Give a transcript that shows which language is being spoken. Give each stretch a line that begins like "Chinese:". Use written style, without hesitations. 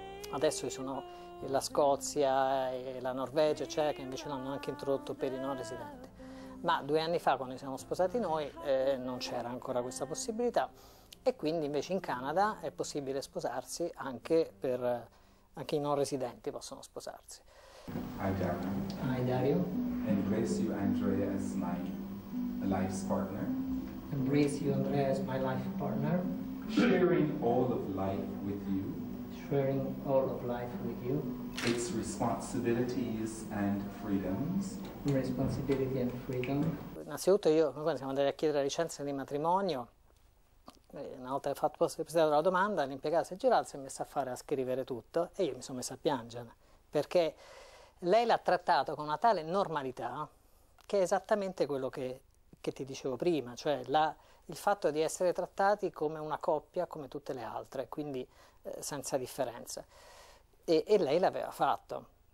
Italian: Adesso ci sono la Scozia e la Norvegia, cioè, che invece l'hanno anche introdotto per i non residenti. Ma 2 anni fa, quando siamo sposati noi, non c'era ancora questa possibilità. E quindi invece in Canada è possibile sposarsi anche per... anche i non residenti possono sposarsi.
English: Hi Dario. Hi Dario. Embrace you Andrea as my life's partner. Embrace you Andrea as my life partner. Sharing all of life with you. Sharing all of life with you. Its responsibilities and freedoms. Responsibility and freedom.
Italian: Innanzitutto io, come siamo andati a chiedere la licenza di matrimonio, una volta fatto presentato la domanda, l'impiegata si è girata, si è messa a fare a scrivere tutto e io mi sono messa a piangere, perché lei l'ha trattato con una tale normalità che è esattamente quello che ti dicevo prima, cioè il fatto di essere trattati come una coppia come tutte le altre, quindi senza differenza, e lei l'aveva fatto.